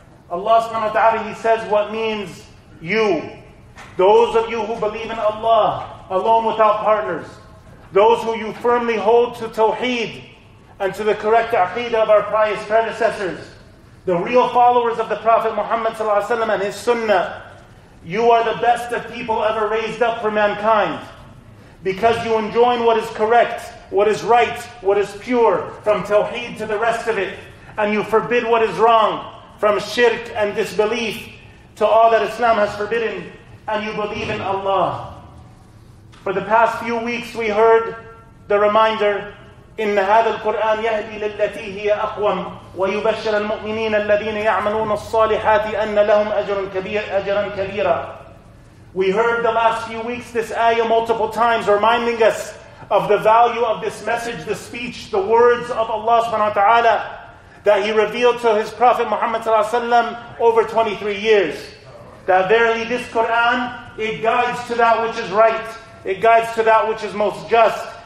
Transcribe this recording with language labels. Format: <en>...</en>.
<en>Allah subhanahu wa ta'ala, He says, what means you, those of you who believe in Allah, alone without partners, those who you firmly hold to tawheed, and to the correct aqidah of our pious predecessors, the real followers of the Prophet Muhammad ﷺ and his sunnah, you are the best of people ever raised up for mankind. Because you enjoin what is correct, what is right, what is pure, from tawheed to the rest of it, and you forbid what is wrong, from shirk and disbelief to all that Islam has forbidden, and you believe in Allah. For the past few weeks we heard the reminder,</en> <ar>إن هذا القرآن يهدي للتي هي أقوم ويبشر المؤمنين الذين يعملون الصالحات أن لهم أجر كبير أجرا كبيرا.</ar> <en>We heard the last few weeks this ayah multiple times reminding us of the value of this message, the speech, the words of Allah subhanahu wa ta'ala that He revealed to His Prophet Muhammad sallallahu alaihi wasallam over 23 years. That verily this Quran, it guides to that which is right, it guides to that which is most just.</en>